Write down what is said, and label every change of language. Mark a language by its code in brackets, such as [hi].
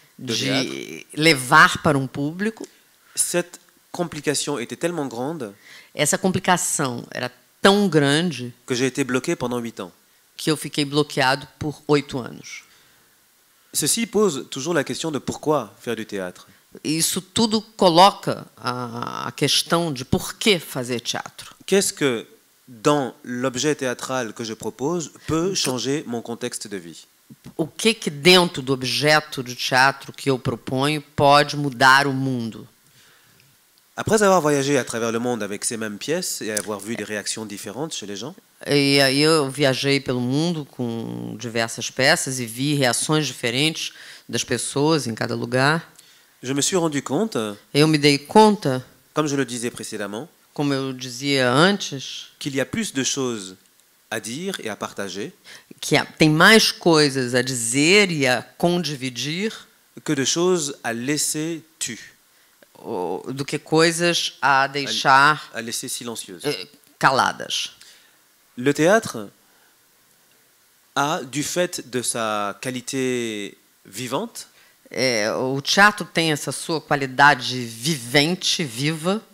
[pt] De levar para um público. [fr] Cette complication était tellement grande. [pt] Essa complicação era tão grande. [fr] Que j'ai été bloqué pendant 8 ans. [pt] Que eu fiquei bloqueado por 8 anos. [fr] Ceci pose toujours la question de pourquoi faire du théâtre. [pt] Isso tudo coloca a questão de por que fazer teatro. [fr] Qu'est-ce que dans l'objet théâtral que je propose peut changer mon contexte de vie? [pt] O que que dentro do objeto de teatro que eu proponho pode mudar o mundo? [fr] Après avoir voyagé à travers le monde avec ces mêmes pièces et avoir vu des réactions différentes chez les gens? [pt] E aí eu viajei pelo mundo com diversas peças e vi reações diferentes das pessoas em cada lugar. [fr] Je me suis rendu compte. [pt] Eu me dei conta. [fr] Comme je le disais précédemment. [pt] Como eu dizia antes. [fr] Qu'il y a plus de choses à dire et à partager. [pt] Que tem mais coisas a dizer e a condividir. [fr] Que de choses à laisser tu. [pt] Do que coisas a deixar. [fr] À laisser silencieuses. [pt] Caladas. [fr] Le théâtre a, du fait de sa qualité vivante. [pt] É, o teatro tem essa sua qualidade vivente, viva.